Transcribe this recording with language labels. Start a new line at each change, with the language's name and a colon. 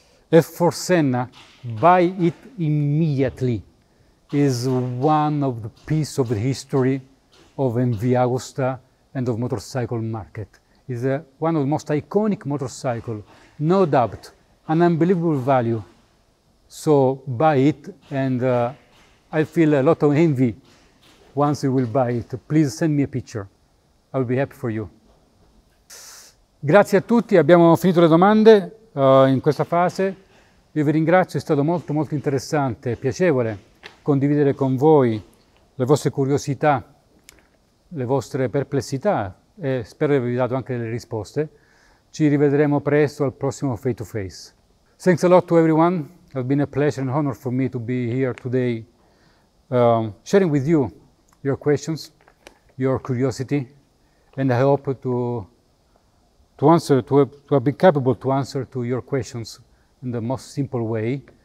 English: F for Senna, buy it immediately, is one of the pieces of the history of MV Agusta and of motorcycle market. It's one of the most iconic motorcycle, no doubt, an unbelievable value. So buy it, and I feel a lot of envy once you will buy it. Please send me a picture. I will be happy for you.
Italian: Grazie a tutti, abbiamo finito le domande in questa fase. Io vi ringrazio, è stato molto molto interessante, piacevole condividere con voi le vostre curiosità, le vostre perplessità, e spero di avervi dato anche delle risposte. Ci rivedremo presto al prossimo Face to Face.
English: Thanks a lot to everyone. It has been a pleasure and honor for me to be here today, sharing with you your questions, your curiosity, and I hope to have been capable to answer to your questions in the most simple way.